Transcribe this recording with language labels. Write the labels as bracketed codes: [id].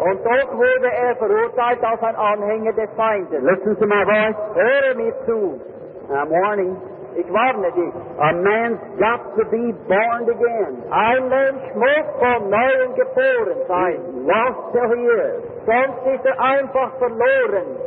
[de] Und dort wurde verurteilt als ein Anhänger des Feindes. [en] Listen to my voice. [de] Höre mir zu. [en] I'm warning. [de] Ich warne dich. [en] A man's got to be born again. [de] Ein Mensch muss von neuem geboren sein. [en] Lost till he is. [de] Sonst ist einfach verloren.